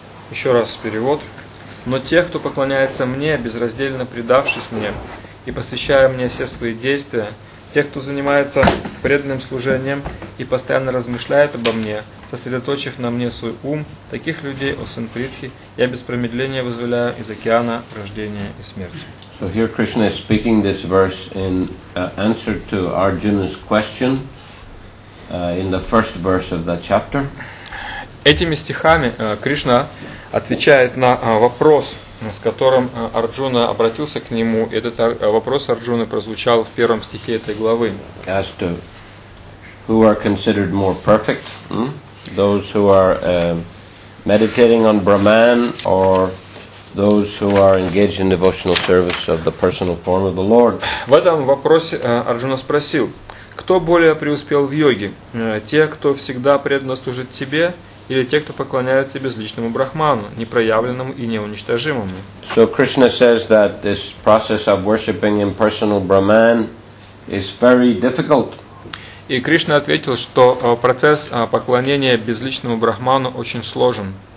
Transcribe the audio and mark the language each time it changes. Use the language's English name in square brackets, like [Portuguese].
[Russian] Еще раз перевод. «Но те, кто поклоняется мне, безраздельно предавшись мне и посвящая мне все свои действия, те, кто занимается преданным служением и постоянно размышляет обо мне, сосредоточив на мне свой ум, таких людей, о сын Притхи, я без промедления вызволяю из океана рождения и смерти». [English] So here Krishna is speaking this verse in answer to Arjuna's question in the first verse of that chapter. [Russian] Этими стихами Кришна отвечает на вопрос, с которым Арджуна обратился к нему. Этот вопрос Арджуны прозвучал в первом стихе этой главы. [English] As to who are considered more perfect, those who are meditating on Brahman or those who are engaged in devotional service of the personal form of the Lord. [Russian] В этом вопросе Арджуна спросил, кто более преуспел в йоге, те, кто всегда преданно служит тебе, или те, кто поклоняется безличному Брахману, непроявленному и неуничтожимому? [English] So Krishna says that this process of worshiping impersonal Brahman is very difficult. [Russian] И Кришна ответил, что процесс поклонения безличному Брахману очень сложен.